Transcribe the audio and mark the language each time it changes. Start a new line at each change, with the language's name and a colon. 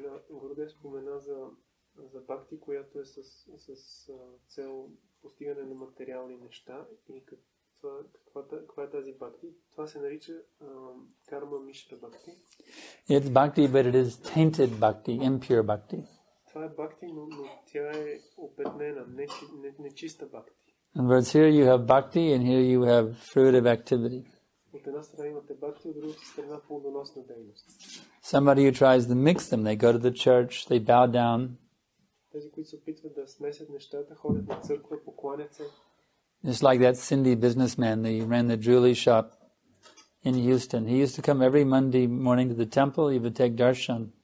Bulgarian: Gurudev spomena za bhakti, която е с цел постигане на материални неща и каква е тази бхакти? Това се нарича карма мишта бхакти.
English: It's bhakti, but it is tainted bhakti, impure bhakti.
Bulgarian: Това е бхакти, но тя е опетнена, нечиста бхакти.
English: In words, here you have bhakti and here you have fruit of activity.
Bulgarian: От една страна имате бхакти, от друга страна плодоносна дейност.
English: Somebody who tries to mix them, they go to the church, they bow down.
Bulgarian: Тези, които се опитват да смесят нещата, ходят на църква, покланят се.
English: Just like that Cindy businessman that ran the jewelry shop in Houston. He used to come every Monday morning to the temple. He would take darshan.